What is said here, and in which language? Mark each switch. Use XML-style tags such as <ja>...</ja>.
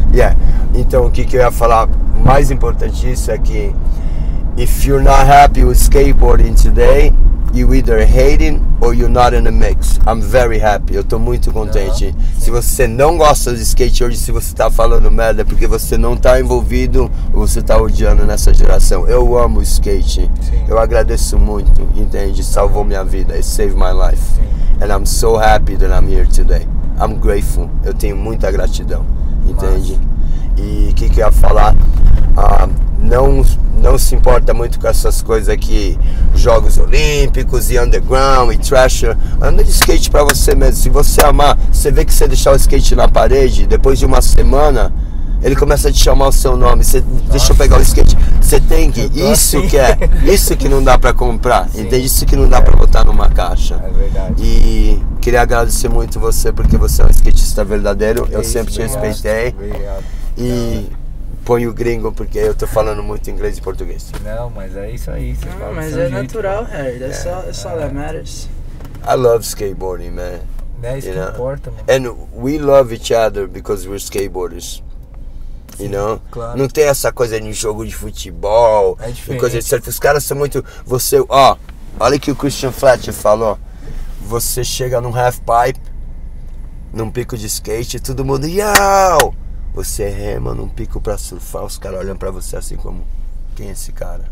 <en>Yeah.</en> <pt>Então o que, que eu ia falar, o mais importante disso é que</pt> <en>if you're not happy with skateboarding today, you either hating or you're not in the mix. I'm very happy.</en> <pt>Eu tô muito contente. Uh-huh. Se você não gosta de skate hoje, se você tá falando merda, é porque você não tá envolvido ou você tá odiando nessa geração. Eu amo skate. Sim. Eu agradeço muito, entende? Salvou minha vida.</pt> <en>It saved my life.</en> <pt>Sim.</pt> <en>And I'm so happy that I'm here today. I'm grateful.</en> <pt>Eu tenho muita gratidão. Entende? Nossa. E o que, que eu ia falar? Não se importa muito com essas coisas aqui, Jogos Olímpicos e Underground e Thrasher. Anda de skate pra você mesmo. Se você amar, você vê que você deixar o skate na parede, depois de uma semana, ele começa a te chamar o seu nome. Você, deixa eu pegar o skate. Você tem que. Isso assim. Que é. Isso que não dá pra comprar. Sim. Entende? Isso que não dá pra botar numa caixa. É verdade. E queria agradecer muito você, porque você é um skatista verdadeiro. Que eu isso, sempre te obrigado. Respeitei. Obrigado. E. Põe o gringo, porque eu tô falando muito inglês e português. Não, mas é isso aí. Você fala mas seu é jeito,</pt> <en>natural, Harry. That's all that matters. I love skateboarding, man.</en> <pt>É isso que importa, mano.</pt> <en>And we love each other because we're skateboarders. You know?</en> <pt>Claro. Não tem essa coisa de jogo de futebol. É diferente. E coisa de certo. Os caras são muito... Você, ó. Olha o que o Christian Fletcher falou. Você chega num half pipe, num pico de skate, e todo mundo... Yow! Você rema num pico pra surfar, os caras olham pra você assim como, quem é esse cara?</pt>